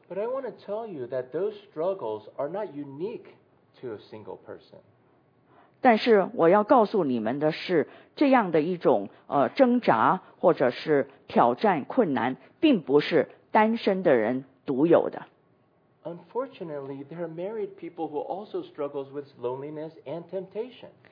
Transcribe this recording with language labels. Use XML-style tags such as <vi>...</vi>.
<en>But I want to tell you that those struggles are not unique to a single person.</en> <zh>但是我要告诉你们的是，这样的一种挣扎或者是挑战困难，并不是单身的人独有的。</zh> <en>Unfortunately, there are married people who also struggles with loneliness and temptation.</en>